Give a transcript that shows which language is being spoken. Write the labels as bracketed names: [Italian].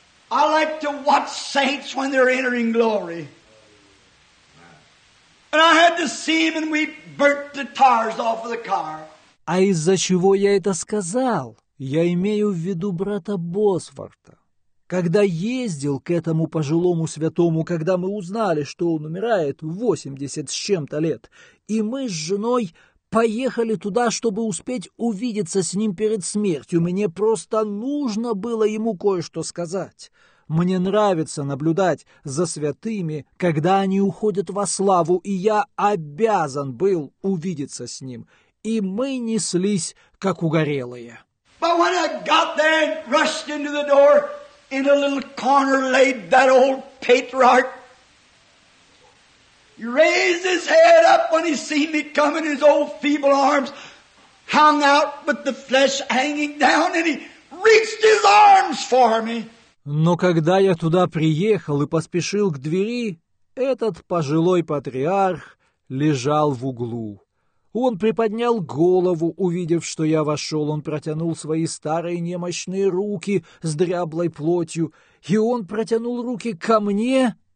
[English] I like to watch saints when they're entering glory. And I had to see him and we burnt the tires off of the car. [Russian] А из-за чего я это сказал? Я имею в виду брата Босфорта. Когда ездил к этому пожилому святому, когда мы узнали, что он умирает в 80 с чем-то лет, и мы с женой поехали туда, чтобы успеть увидеться с ним перед смертью, мне просто нужно было ему кое-что сказать. Мне нравится наблюдать за святыми, когда они уходят во славу, и я обязан был увидеться с ним. И мы неслись, как угорелые. [English] But when I got there and rushed into the door, in a little corner laid that old patriarch. He raised his head up when he seen me coming, his old feeble arms hung out with the flesh hanging down, and he reached his arms for me. [Russian] Но когда я туда приехал и поспешил к двери, этот пожилой патриарх лежал в углу. Он приподнял голову, увидев, что я вошел, он протянул свои старые немощные руки с дряблой плотью, и он протянул руки ко мне.